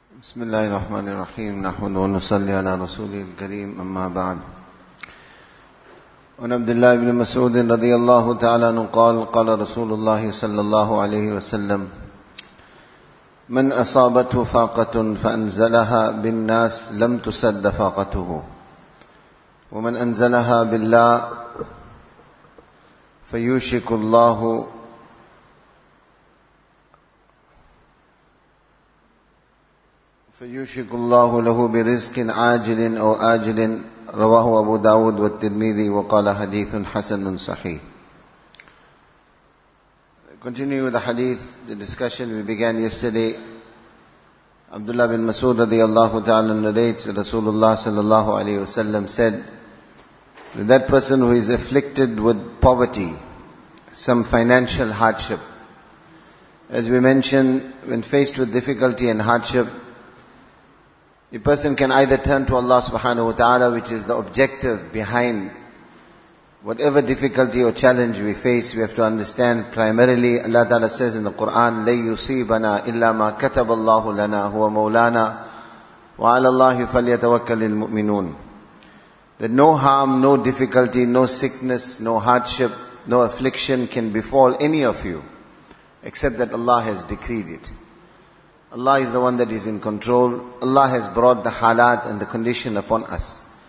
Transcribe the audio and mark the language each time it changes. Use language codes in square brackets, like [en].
[ar] بسم الله الرحمن الرحيم نحمد ونصلي على رسوله الكريم أما بعد عن عبد الله بن مسعود رضي الله تعالى عنه قال قال رسول الله صلى الله عليه وسلم من أصابته فاقة فأنزلها بالناس لم تسد فاقته ومن أنزلها بالله فيوشك الله فيوشك الله له برزق عاجل أو آجل رواه أبو داود والترمذي وقال حديث حسن صحيح. [en] Continuing with the hadith, the discussion we began yesterday, Abdullah bin Masood radiallahu ta'ala narrates that Rasulullah sallallahu alayhi wa sallam said, that person who is afflicted with poverty, some financial hardship. As we mentioned, when faced with difficulty and hardship, a person can either turn to Allah subhanahu wa ta'ala, which is the objective behind whatever difficulty or challenge we face. We have to understand primarily Allah ta'ala says in the Quran, [ar] لَيُّصِيبَنَا إِلَّا مَا كَتَبَ اللَّهُ لَنَا هُوَ مَوْلَانَا وَعَلَى اللَّهِ فَلْيَتَوَكَّلِ الْمُؤْمِنُونَ. [en] That no harm, no difficulty, no sickness, no hardship, no affliction can befall any of you except that Allah has decreed it. Allah is the one that is in control. Allah has brought the halat and the condition upon us.